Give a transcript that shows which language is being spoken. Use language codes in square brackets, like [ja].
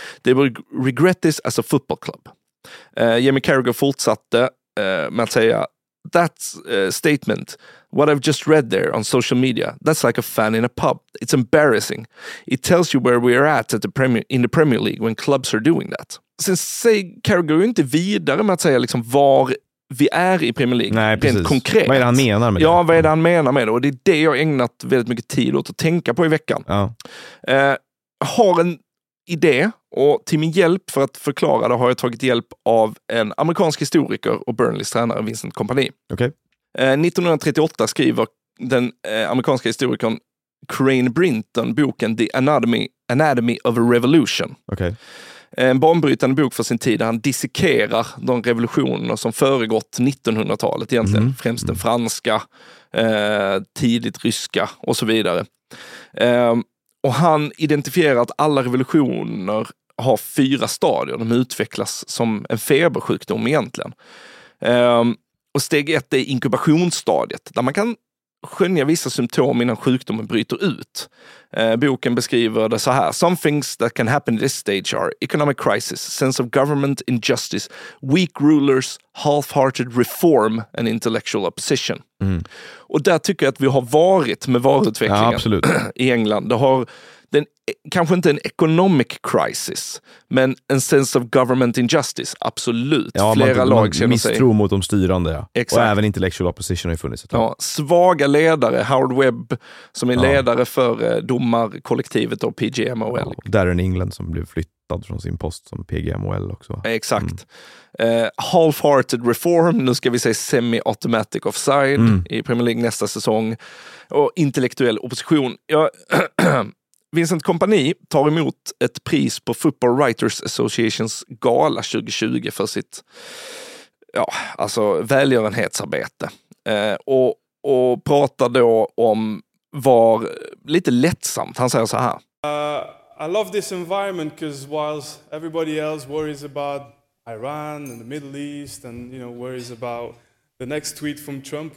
[en] They will regret this as a football club. Jamie Carragher [sv] fortsatte med att säga, [en] that statement, what I've just read there on social media, that's like a fan in a pub. It's embarrassing. It tells you where we are at in the Premier League when clubs are doing that. [sv] Sen säger Carragher ju inte vidare med att säga liksom var vi är i Premier League. Nej, precis. Konkret. Vad är det han menar med det? Ja, vad är det han menar med det? Och det är det jag har ägnat väldigt mycket tid åt att tänka på i veckan. Ja. Har en idé, och till min hjälp för att förklara det har jag tagit hjälp av en amerikansk historiker och Burnleys tränare Vincent Kompany. [en] Okay. [sv] 1938 skriver den amerikanska historikern Crane Brinton boken The Anatomy of a Revolution. Okej. [en] Okay. [sv] En banbrytande bok för sin tid där han dissekerar de revolutioner som föregått 1900-talet egentligen. Mm. Främst den franska, tidigt ryska och så vidare. Och han identifierar att alla revolutioner har fyra stadier. De utvecklas som en febersjukdom egentligen. Och steg ett är inkubationsstadiet, där man kan skönja vissa symptom innan sjukdomen bryter ut. Boken beskriver det så här: [en] Some things that can happen at this stage are economic crisis, sense of government injustice, weak rulers, half-hearted reform and intellectual opposition. Mm. [sv] Och där tycker jag att vi har varit med varutvecklingen, ja, absolut, i England. Det har den, kanske inte en [en] economic crisis, [sv] men en [en] sense of government injustice, [sv] absolut. Ja, flera lag känner sig misstro mot de styrande, ja. Exakt. Och även intellectual opposition har ju funnits. Ja, svaga ledare, Howard Webb som är ledare för domarkollektivet och PGMOL. Ja, Darren England som blev flyttad från sin post som PGMOL också. Exakt. Mm. [en] Half-hearted reform, [sv] nu ska vi säga semi-automatic offside i Premier League nästa säsong. Och intellektuell opposition. Ja, Vincent Kompany tar emot ett pris på Football Writers Associations gala 2020 för sitt välgörenhetsarbete. Och pratar då om VAR lite lättsamt. Han säger så här: [en] I love this environment because whilst everybody else worries about Iran and the Middle East, and you know, worries about the next tweet from Trump.